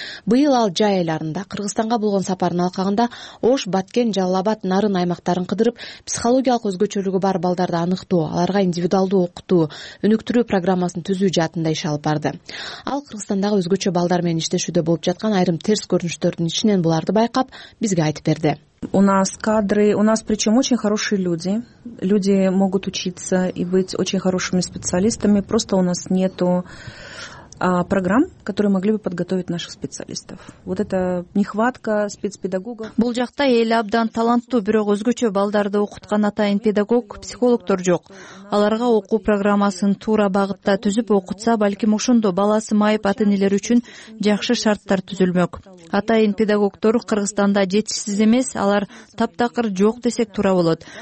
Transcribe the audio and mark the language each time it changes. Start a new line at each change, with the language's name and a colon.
Kyrgyz: Быйыл ал жай айларында Кыргызстанга болгон сапарынын алкагында Ош, Баткен, Жалалабад, Нарын аймактарын кыдырып, психологиялык өзгөчөлүгү бар балдарды аныктоо, аларга индивидуалдуу окутуу, өнүктүрүү программасын түзүү жаатында иш алып барды. Ал Кыргызстандагы өзгөчө балдар менен иштешүүдө болуп жаткан айрым терс көрүнүштөрдүн ичинен буларды байкап, бизге айтып берди.
Russian: У нас кадры, у нас причем очень хорошие люди. Люди могут учиться и быть очень хорошими специалистами, просто у нас нету программ, которые могли бы подготовить наших специалистов. Вот это нехватка спецпедагогов.
Kyrgyz: Бул жакта эл абдан таланттуу, бирок өзгөчө балдарды окуткан атайын педагог, психологдор жок. Аларга окуу программасын туура багытта түзүп окутса, балким ошондо баласы майып ата-энелер үчүн жакшы шарттар түзүлмөк. Атайын педагогдор Кыргызстанда жетишсиз эмес, алар таптакыр жок десек туура болот.